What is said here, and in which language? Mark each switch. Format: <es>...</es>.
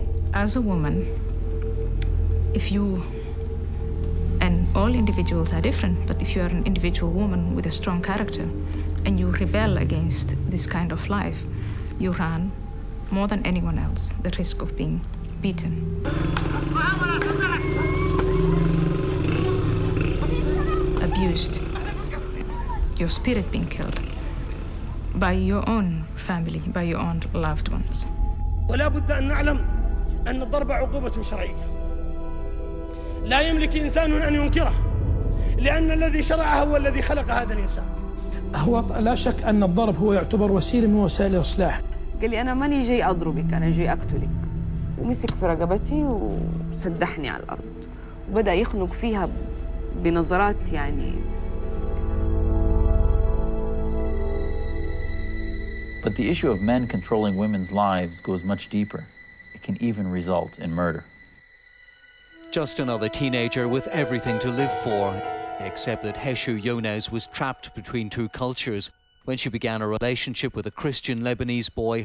<en>As a woman, if you, and all individuals are different, but if you are an individual woman with a strong character, and you rebel against this kind of life, you run more than anyone else the risk of being beaten. Abused. Your spirit being killed by your own family, by your own loved ones.</en> <ar>ولا بد ان نعلم ان الضرب عقوبه شرعيه لا يملك انسان ان ينكره لان الذي شرعه هو الذي خلق هذا الانسان. هو لا شك أن الضرب هو يعتبر وسيلة من وسائل الإصلاح. قال لي أنا ماني جاي أضربك، أنا جاي أقتلك. ومسك في رقبتي وسدحني على الأرض وبدأ يخنق فيها بنظرات يعني.</ar> <en>But the issue of men controlling women's lives goes much deeper. It can even result in murder. Just another teenager with everything to live for, except that Heshu Yonez was trapped between two cultures when she began a relationship with a Christian Lebanese boy.</en>